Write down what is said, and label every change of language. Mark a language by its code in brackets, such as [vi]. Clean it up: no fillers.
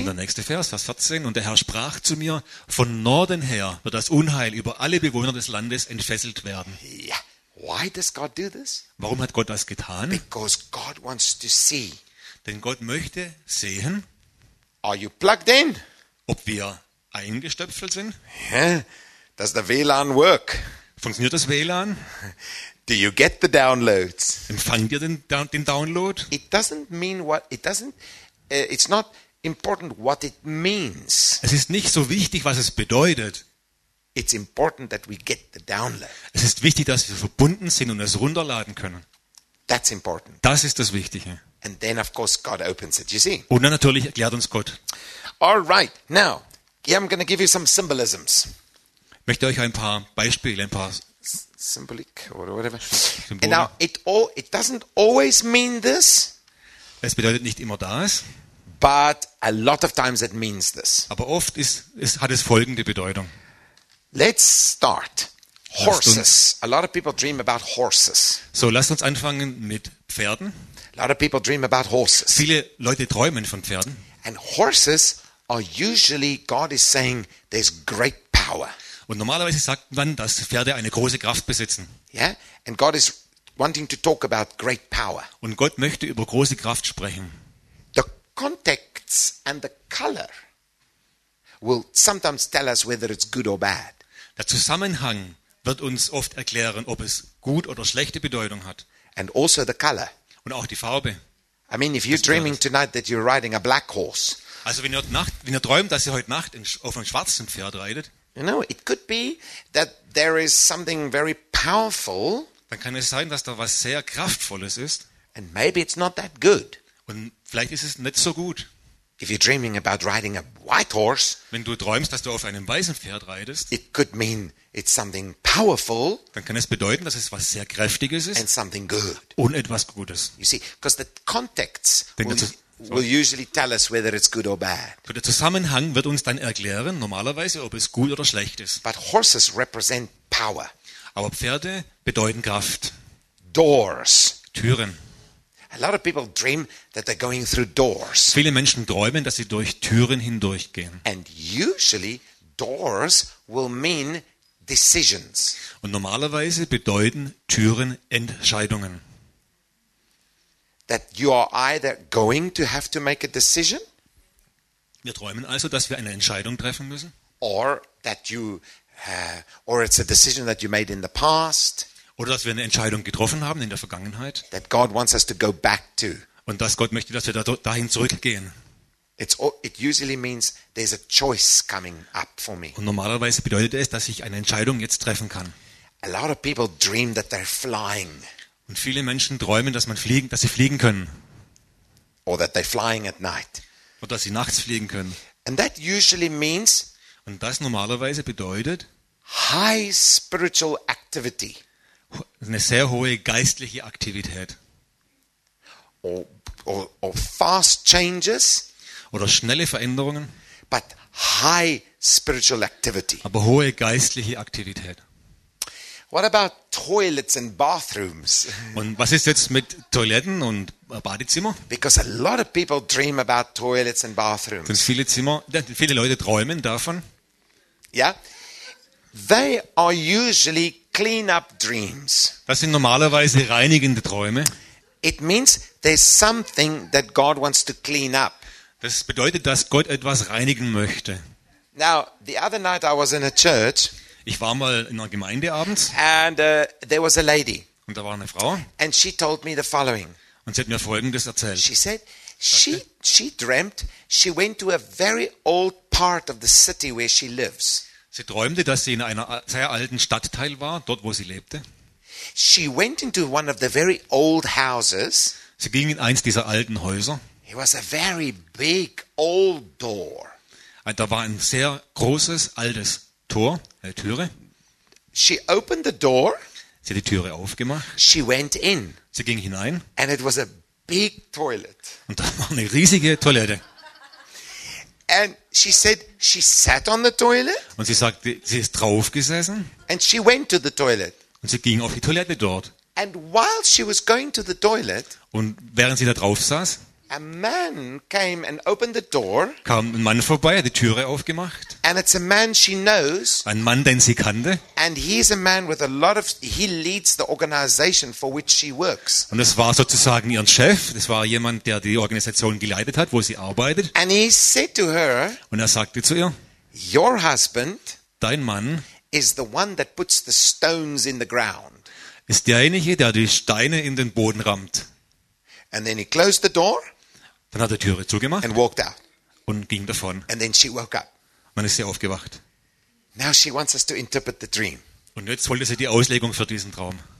[de] Und der nächste Vers, Vers 14, und der Herr sprach zu mir, von Norden her wird das Unheil über alle Bewohner des Landes entfesselt werden. [en] Yeah. Why does God do this? [de] Warum hat Gott das getan? [en] Because God wants to see. [de] Denn Gott möchte sehen, [en] are you plugged in? [de] Ob wir eingestöpselt sind? [en] Yeah. Does the WLAN work? [de] Funktioniert das WLAN? [en] Do you get the downloads? [de] Empfangt ihr den Download? [en] It doesn't mean what it doesn't. It's not important what it means. [de] Es ist nicht so wichtig, was es bedeutet. [en] It's important that we get the download. [de] Es ist wichtig, dass wir verbunden sind und es runterladen können. [en] That's important. [de] Das ist das Wichtige. [en] And then of course God opens it, you see. [de] Und dann natürlich erklärt uns Gott. [en] All right. Now, here I'm going to give you some symbolisms. [de] Ich möchte euch ein paar Beispiele, ein paar symbolik oder whatever. Symbole. [en] And now it doesn't always mean this. [de] Es bedeutet nicht immer das. [en] But a lot of times it means this. [de] Aber oft hat es folgende Bedeutung. [en] Let's start. Horses. A lot of people dream about horses. [de] So, lasst uns anfangen mit Pferden. [en] A lot of people dream about horses. [de] Viele Leute träumen von Pferden. [en] And horses are usually, God is saying, there's great power. [de] Und normalerweise sagt man, dass Pferde eine große Kraft besitzen. [en] Yeah? And God is wanting to talk about great power. [de] Und Gott möchte über große Kraft sprechen. [en] The context and the color will sometimes tell us whether it's good or bad. [de] Der Zusammenhang wird uns oft erklären, ob es gut oder schlechte Bedeutung hat. [en] And also the color. [de] Und auch die Farbe. [en] I mean, if you're dreaming tonight that you're riding a black horse. [de] Also wenn ihr träumt, dass ihr heute Nacht auf einem schwarzen Pferd reitet. [en] You know, it could be that there is something very powerful. [de] Dann kann es sein, dass da was sehr Kraftvolles ist. [en] And maybe it's not that good. [de] Und vielleicht ist es nicht so gut. [en] If you're dreaming about riding a white horse, [de] wenn du träumst, dass du auf einem weißen Pferd reitest, [en] it could mean it's something powerful, [de] dann kann es bedeuten, dass es was sehr Kräftiges ist, [en] and something good, [de] und etwas Gutes. [en] You see, because the context will usually tell us whether it's good or bad. [de] Der Zusammenhang wird uns dann erklären, normalerweise, ob es gut oder schlecht ist. [en] But horses represent power. [de] Aber Pferde bedeuten Kraft. [en] Doors. [de] Türen. [en] A lot of people dream that they're going through doors. [de] Viele Menschen träumen, dass sie durch Türen hindurchgehen. [en] And usually doors will mean decisions. [de] Und normalerweise bedeuten Türen Entscheidungen. [en] That you are either going to have to make a decision. [de] Wir träumen also, dass wir eine Entscheidung treffen müssen. [en] Or it's a decision that you made in the past. [de] Oder dass wir eine Entscheidung getroffen haben in der Vergangenheit. [en] That God wants us to go back to. [de] Und dass Gott möchte, dass wir dahin zurückgehen. [en] It usually means there's a choice coming up for me. [de] Und normalerweise bedeutet es, dass ich eine Entscheidung jetzt treffen kann. [en] A lot of people dream that they're flying. [de] Und viele Menschen träumen, dass sie fliegen können. [en] Or that they're flying at night. [de] Oder dass sie nachts fliegen können. [en] And that usually means. [de] Und das normalerweise bedeutet [en] high spiritual activity. [de] Eine sehr hohe geistliche Aktivität. [en] Or fast changes. [de] Oder schnelle Veränderungen. [en] But high spiritual activity. [de] Aber hohe geistliche Aktivität. [en] What about toilets and bathrooms? [de] Und was ist jetzt mit Toiletten und Badezimmer? [en] Because a lot of people dream about toilets and bathrooms. [de] Denn viele Leute träumen davon. [en] Yeah. They are usually clean-up dreams. [de] Das sind normalerweise reinigende Träume. [en] It means there's something that God wants to clean up. [de] Das bedeutet, dass Gott etwas reinigen möchte. [en] Now, the other night I was in a church. [de] Ich war mal in einer Gemeinde abends. [en] And there was a lady. [de] Und da war eine Frau. [en] And she told me the following. [de] Und sie hat mir Folgendes erzählt. [en] She said, she dreamt, she went to a very old part of the city where she lives. [de] Sie träumte, dass sie in einer sehr alten Stadtteil war, dort wo sie lebte. [en] She went into one of the very old houses. [de] Sie ging in eins dieser alten Häuser. [en] It was a very big old door. [de] Und da war ein sehr großes altes Tor, eine Türe. [en] She opened the door. [de] Sie hat die Türe aufgemacht. [en] She went in. [de] Sie ging hinein. [en] And it was a big toilet. [de] Und da war eine riesige Toilette. [en] And she said she sat on the toilet. [de] Und sie sagte, sie ist drauf gesessen. [en] And she went to the toilet. [de] Und sie ging auf die Toilette dort. [en] And while she was going to the toilet, [de] und während sie da drauf saß, [en] a man came and opened the door. [de] Kam ein Mann vorbei, hat die Türe aufgemacht. [en] And it's a man she knows. [de] Ein Mann, den sie kannte. [en] And he's a man with a lot of. He leads the organization for which she works. [de] Und es war sozusagen ihr Chef. Das war jemand, der die Organisation geleitet hat, wo sie arbeitet. [en] And he said to her. [de] Und er sagte zu ihr. [en] Your husband. [de] Dein Mann. [en] Is the one that puts the stones in the ground. [de] Ist derjenige, der die Steine in den Boden rammt. [en] And then he closed the door. [de] Dann hat er die Türe zugemacht. [en] And walked out. [de] Und ging davon. [en] And then she woke up. [de] Und dann ist sie aufgewacht. [en] Now she wants us to interpret the dream. [de] Und jetzt wollte sie die Auslegung für diesen Traum.